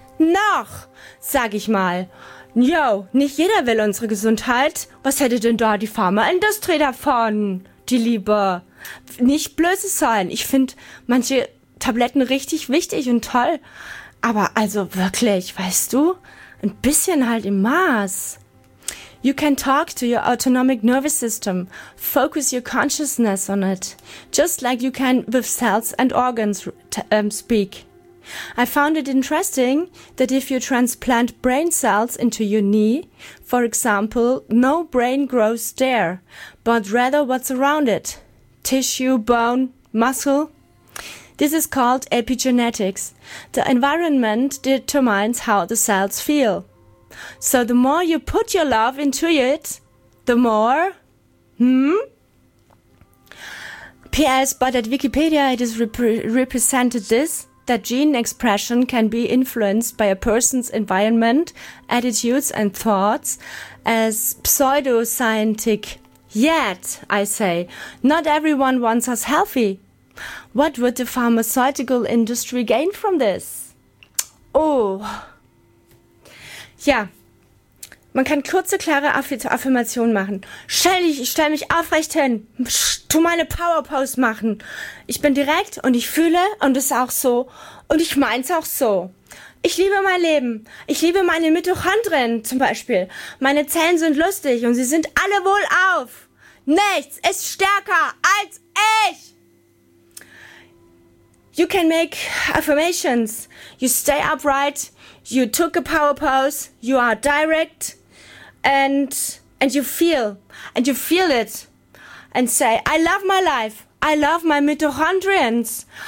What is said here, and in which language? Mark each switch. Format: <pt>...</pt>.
<de>Noch, sag ich mal. Yo, nicht jeder will unsere Gesundheit. Was hätte denn da die Pharmaindustrie davon, die Liebe? Nicht blöse sein. Ich finde manche Tabletten richtig wichtig und toll. Aber also wirklich, weißt du? Ein bisschen halt im Maß.</de> <en>You can talk to your autonomic nervous system. Focus your consciousness on it. Just like you can with cells and organs speak. I found it interesting that if you transplant brain cells into your knee, for example, no brain grows there, but rather what's around it. Tissue, bone, muscle. This is called epigenetics. The environment determines how the cells feel. So the more you put your love into it, the more... P.S. But at Wikipedia it is represented this, that gene expression can be influenced by a person's environment, attitudes and thoughts as pseudoscientific. Yet, I say, not everyone wants us healthy. What would the pharmaceutical industry gain from this?</en> <de>Oh. Ja. Man kann kurze, klare Affirmationen machen. Ich stell mich aufrecht hin. Tu meine Powerpose machen. Ich bin direkt und ich fühle und es ist auch so. Und ich mein's auch so. Ich liebe mein Leben. Ich liebe meine Mitochondrien zum Beispiel. Meine Zellen sind lustig und sie sind alle wohlauf. Nichts ist stärker als ich.</de> <en>You can make affirmations. You stay upright. You took a power pose. You are direct. And you feel it. And say, I love my life. I love my mitochondrien.</en>